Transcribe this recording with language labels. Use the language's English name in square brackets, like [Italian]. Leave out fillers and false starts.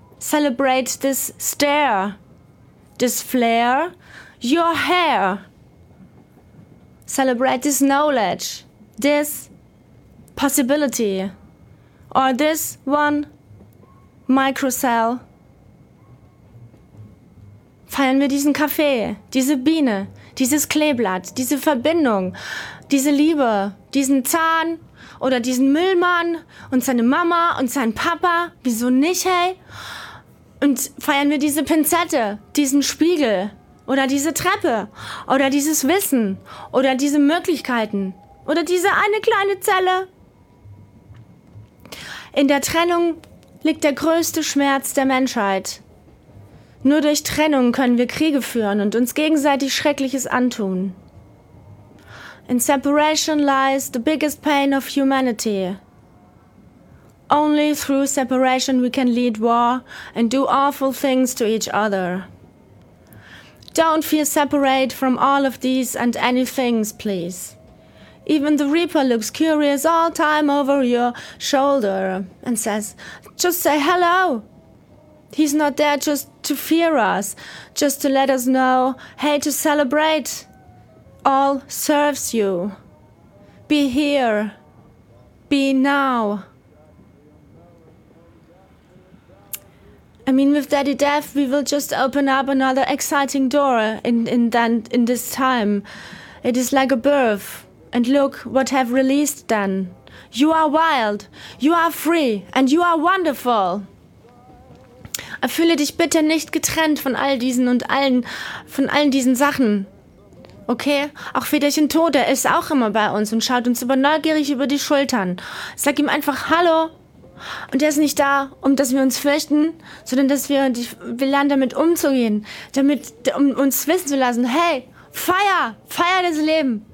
[English] Celebrate this stare, this flare, your hair. Celebrate this knowledge, this possibility, or this one microcell. [German] Feiern wir diesen Kaffee, diese Biene, dieses Kleeblatt, diese Verbindung, diese Liebe, diesen Zahn oder diesen Müllmann und seine Mama und sein Papa. Wieso nicht, hey? Und feiern wir diese Pinzette, diesen Spiegel oder diese Treppe oder dieses Wissen oder diese Möglichkeiten oder diese eine kleine Zelle. In der Trennung liegt der größte Schmerz der Menschheit. Nur durch Trennung können wir Kriege führen und uns gegenseitig Schreckliches antun. [English] In separation lies the biggest pain of humanity. Only through separation we can lead war and do awful things to each other. Don't feel separate from all of these and any things, please. Even the Reaper looks curious all time over your shoulder and says, just say hello. He's not there just to fear us, just to let us know, hey, to celebrate. All serves you. Be here. Be now. I mean, with Daddy Death, we will just open up another exciting door in this time. It is like a birth. And look what have released then. You are wild, you are free, and you are wonderful. [German] Fühle dich bitte nicht getrennt von all diesen und allen, von allen diesen Sachen. Okay? Auch Federchen Tod, der ist auch immer bei uns und schaut uns über neugierig über die Schultern. Sag ihm einfach Hallo. Und er ist nicht da, um dass wir uns fürchten, sondern dass wir lernen damit umzugehen, damit, um uns wissen zu lassen, hey, feier das Leben.